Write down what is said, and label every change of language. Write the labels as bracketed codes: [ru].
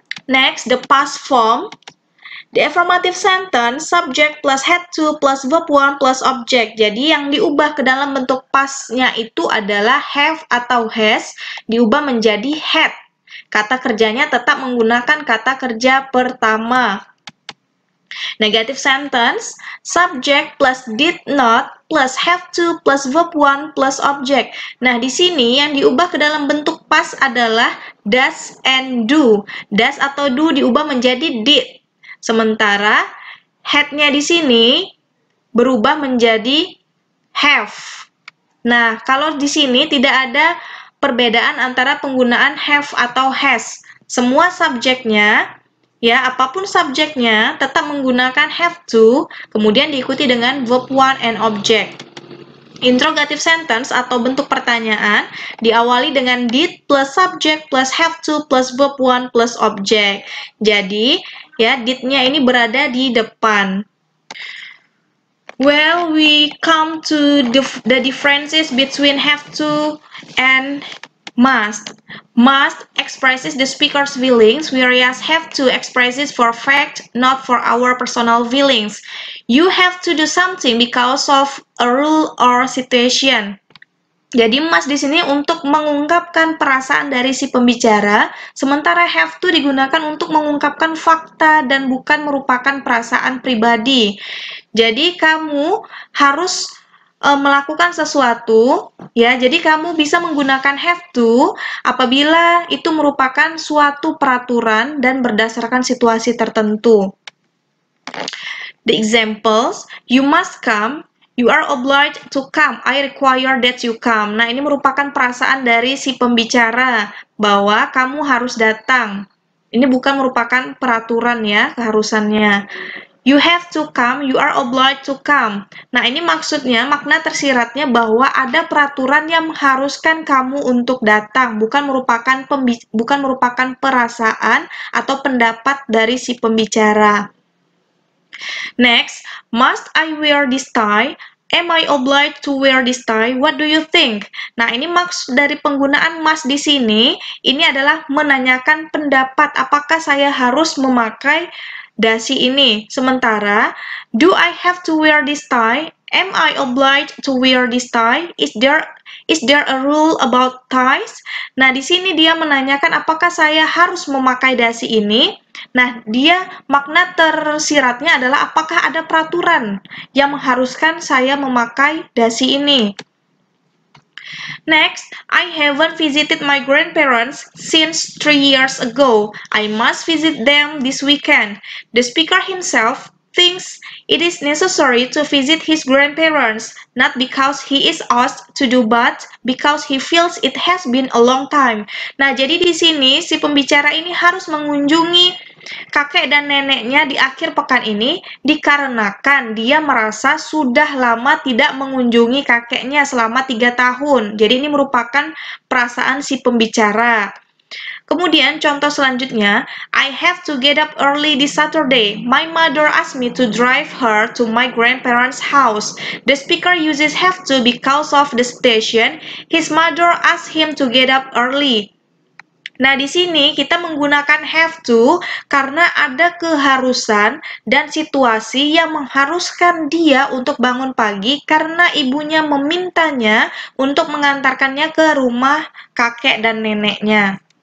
[en] Next, the past form, the affirmative sentence, subject plus had to plus verb 1 plus object. [id] Jadi, yang diubah ke dalam bentuk pastnya itu adalah have atau has, diubah menjadi had. Kata kerjanya tetap menggunakan kata kerja pertama. [en] Negative sentence, subject plus did not plus have to plus verb 1 plus object. [id] Nah, di sini yang diubah ke dalam bentuk past adalah does and do. Does atau do diubah menjadi did. Sementara had-nya di sini berubah menjadi have. Nah, kalau di sini tidak ada perbedaan antara penggunaan have atau has. Semua subjeknya, ya, apapun subjeknya, tetap menggunakan have to, kemudian diikuti dengan verb 1 and object. [en] Interrogative sentence [id] atau bentuk pertanyaan diawali dengan [en] did plus subject plus have to plus verb 1 plus object. [id] Jadi, ya, did-nya ini berada di depan. [en] Well, we come to the differences between have to and must. Must expresses the speaker's feelings, whereas have to expresses for fact, not for our personal feelings. You have to do something because of a rule or situation. [id] Jadi must di sini untuk mengungkapkan perasaan dari si pembicara, sementara have to digunakan untuk mengungkapkan fakta dan bukan merupakan perasaan pribadi. Jadi kamu harus melakukan sesuatu, ya. Jadi kamu bisa menggunakan have to apabila itu merupakan suatu peraturan dan berdasarkan situasi tertentu. [en] The examples, you must come, you are obliged to come, I require that you come. [id] Nah, ini merupakan perasaan dari si pembicara bahwa kamu harus datang. Ini bukan merupakan peraturan, ya, keharusannya. [en] You have to come, you are obliged to come. [id] Nah, ini maksudnya, makna tersiratnya bahwa ada peraturan yang mengharuskan kamu untuk datang, bukan merupakan perasaan atau pendapat dari si pembicara. [en] Next, must I wear this tie? Am I obliged to wear this tie? What do you think? [id] Nah, ini maksud dari penggunaan must di sini, ini adalah menanyakan pendapat, apakah saya harus memakai dasi ini. Sementara, [en] do I have to wear this tie? Am I obliged to wear this tie? Is there a rule about ties? [id] Nah, di sini dia menanyakan apakah saya harus memakai dasi ini. Nah, dia makna tersiratnya adalah apakah ada peraturan yang mengharuskan saya memakai dasi ini. [en] Next, I haven't visited my grandparents since 3 years ago. I must visit them this weekend. The speaker himself thinks it is necessary to visit his grandparents, not because he is asked to do, but because he feels it has been a long time. [id] Nah, jadi di sini si pembicara ini harus mengunjungi Kakek dan neneknya di akhir pekan ini dikarenakan dia merasa sudah lama tidak mengunjungi kakeknya selama 3 tahun. Jadi ini merupakan perasaan si pembicara. Kemudian contoh selanjutnya, [en] I have to get up early this Saturday. My mother asked me to drive her to my grandparents' house. The speaker uses have to because of the station. His mother asked him to get up early. [id] Nah, di sini kita menggunakan have to karena ada keharusan dan situasi yang mengharuskan dia untuk bangun pagi karena ibunya memintanya untuk mengantarkannya ke rumah kakek dan neneknya.